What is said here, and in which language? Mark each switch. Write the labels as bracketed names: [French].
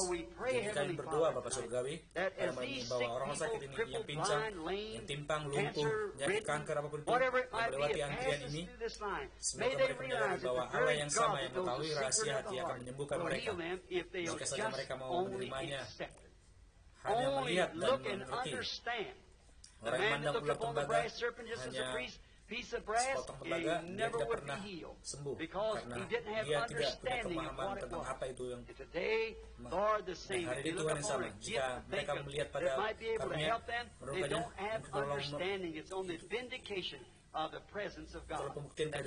[Indonesian] Jadi kami berdoa Bapa Surgawi pada malam ini bahwa orang sakit ini, yang pincang, yang timpang, lumpuh, penyakit kanker apapun itu yang melewati antrian ini, semoga mereka menyadari bahwa Allah yang sama yang mengetahui rahasia hati akan menyembuhkan mereka jika saja mereka mau menerimanya. Hanya melihat dan mengerti. [English] The man that looked upon the brass serpent just as a piece of brass, he never would be healed because he didn't have understanding of what it was. [Indonesian] Itu yang [English] and today, Lord, the same. [Indonesian] Hari itu Tuhan yang sama. Jika mereka melihat pada karunia, [English] they don't have understanding. It's only vindication of the presence of God that